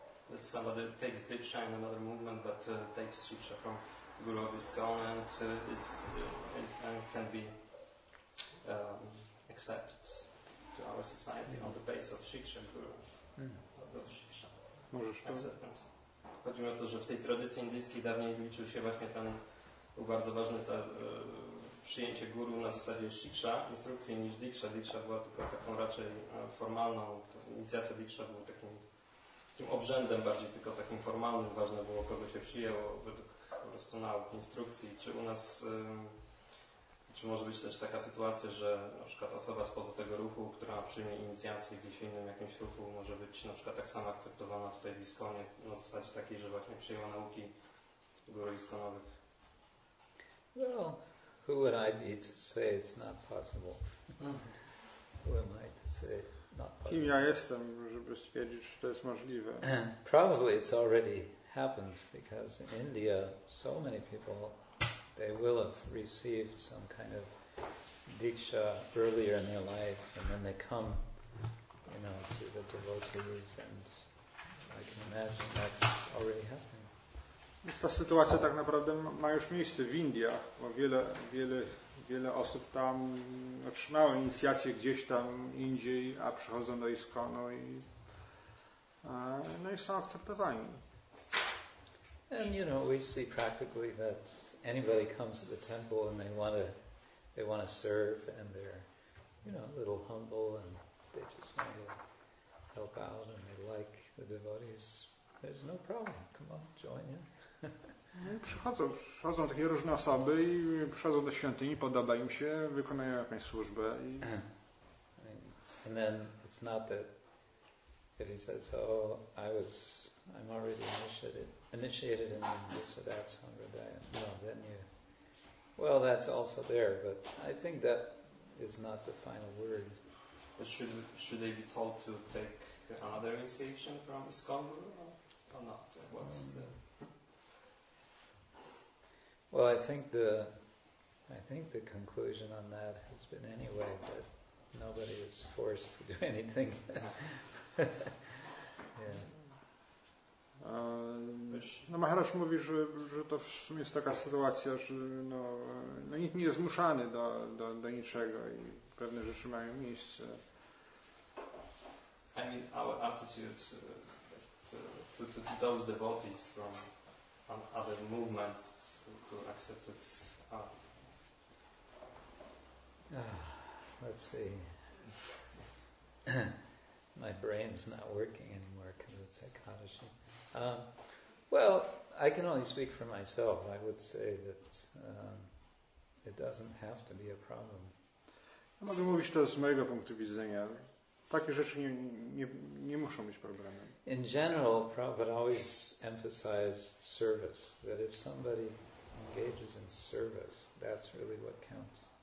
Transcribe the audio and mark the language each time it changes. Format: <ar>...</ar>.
<en>That somebody takes Diksha in another movement, but takes Sutra from Guru of Iskcon and is and can be accepted to our society on the basis of Shiksha Guru.</en> <pl>Możesz to? Chodzi mi o to, że w tej tradycji indyjskiej dawniej liczył się właśnie ten, był bardzo ważny to przyjęcie guru na zasadzie shiksha, instrukcji niż diksha. Diksha była tylko taką raczej formalną, inicjacja diksha była takim tym obrzędem bardziej tylko takim formalnym. Ważne było, kogo się przyjęło według po prostu nauk, instrukcji. Czy u nas, czy może być też taka sytuacja, że na przykład osoba spoza tego ruchu, która przyjmie inicjację w gdzieś innym jakimś ruchu, może być na przykład tak samo akceptowana tutaj w Iskonie na zasadzie takiej, że właśnie przyjęła nauki guru iskonowych?</pl> <en>Well, who would I be to say it's not possible? Who am I to say not possible?</en> <pl>Kim ja jestem, żeby stwierdzić, że to jest możliwe?</pl> <en>Probably it's already happened, because in India so many people, they will have received some kind of diksha earlier in their life, and then they come, you know, to the devotees, and I can imagine that's already happening.</en> <pl>Ta sytuacja tak naprawdę ma już miejsce w Indiach, bo wiele osób tam otrzymało inicjację gdzieś tam indziej, a przychodzą do Iskonu i no i są akceptowani.</pl> <en>And you know, we see practically that anybody comes to the temple and they want to serve, and they're, you know, a little humble, and they just want to help out, and they like the devotees. There's no problem. Come on, join in.</en> <pl>Przychodzą takie różne osoby i przychodzą do świątyni, podoba im się, wykonają jakąś służbę. I...</pl> <en>And then it's not that if he says, "Oh, I'm already initiated in this or that sampradaya." No, then you. Well, that's also there, but I think that is not the final word. But should they be told to take another initiation from Iskcon Guru or not? What's the... Well, I think the conclusion on that has been anyway that nobody is forced to do anything. Yeah.</en> <pl>No Maharaj mówi, że to w sumie jest taka sytuacja, że no nikt nie jest zmuszany do niczego i pewne rzeczy mają miejsce.</pl> <en>I mean, our attitude to those devotees from other movements who accepted Let's see. My brain's not working anymore because it's Ekadashi. Well, I can only speak for myself. I would say that it doesn't have to be a problem.</en> <pl>Ja mogę mówić to z mojego punktu widzenia. Takie rzeczy nie muszą być problemem.</pl> <en>In general, Prabhupada always emphasized service. That if somebody engages in service, that's really what counts.</en>